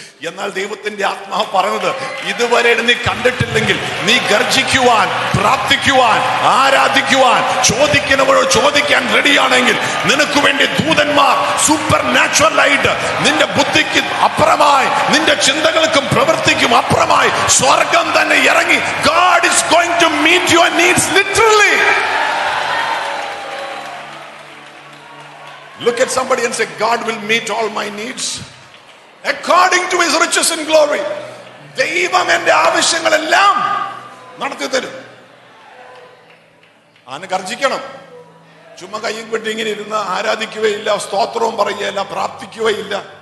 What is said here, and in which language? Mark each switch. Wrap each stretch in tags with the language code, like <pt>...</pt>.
<ml>എന്നാൽ ദൈവത്തിന്റെ ആത്മാവ് പറഞ്ഞത് ഇതുവരെ നീ കണ്ടിട്ടില്ലെങ്കിൽ നീ ഗർജിക്കുവാൻ, പ്രാർത്ഥിക്കുവാൻ, ആരാധിക്കുവാൻ, ചോദിക്കുന്നവരോ ചോദിക്കാൻ റെഡിയാണെങ്കിൽ നിനക്ക് വേണ്ടി ദൂതന്മാർ സൂപ്പർ നാച്ചുറലായിട്ട് നിന്റെ ബുദ്ധിക്ക് അപ്പുറമായി, നിന്റെ ചിന്തകൾക്കും പ്രവൃത്തിക്കും അപ്പുറമായി സ്വർഗം തന്നെ ഇറങ്ങി,</ml> <en>God is going to meet your needs literally. Look at somebody and say, God will meet all my needs according to his riches and glory.</en> <ml>ദൈവം എന്റെ ആവശ്യങ്ങളെല്ലാം നടത്തി തരും. അവനെ ഗർജിക്കണം. ചുമ്മാ കയ്യും കൊണ്ട് ഇങ്ങനെ ഇരുന്ന് ആരാധിക്കുകയില്ല, സ്തോത്രവും പറയുകയില്ല, പ്രാർത്ഥിക്കുകയില്ല.</ml>